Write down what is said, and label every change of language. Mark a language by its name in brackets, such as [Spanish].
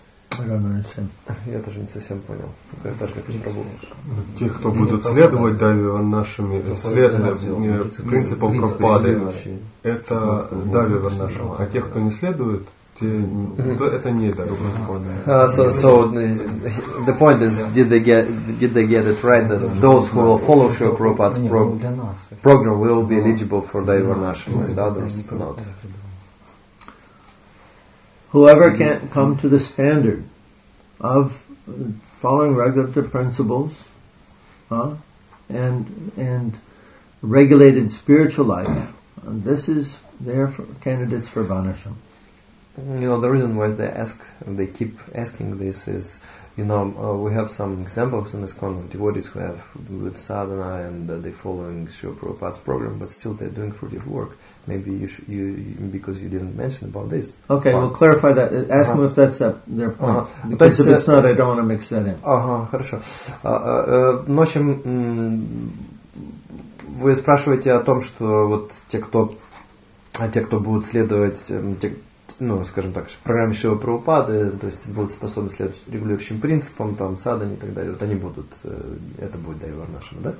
[Russian] Я тоже не совсем понял. Те, кто будут следовать Дайве Варнашами, принципам Прабхупады, это Дайве Варнашама. А те, кто не следует, то это не Дайве Варнашама. [English] So the point is, did they get it right, that those who will follow Srila Prabhupada's program will be eligible for Dajve Varnashama, and others not. Whoever can't come to the standard of following regulative principles and regulated spiritual life, this is their candidates for Varnasham. You know, the reason why they keep asking this is, you know, we have some examples in this kind of devotees who have good sadhana and they're following Srila Prabhupada's program, but still they're doing fruitive work. Maybe because you didn't mention about this. Okay, we'll clarify that. Ask them if that's their point. Uh-huh. Because if it's not, I don't want to mix that in. [Russian] Uh-huh, хорошо. В общем, вы спрашиваете о том, что вот те, кто будут следовать, ну, скажем так, программе Шива Прабхупады, то есть будут способны следовать регулирующим принципам, там, садхане и так далее, вот они будут, это будет Дайве Варнашама, да?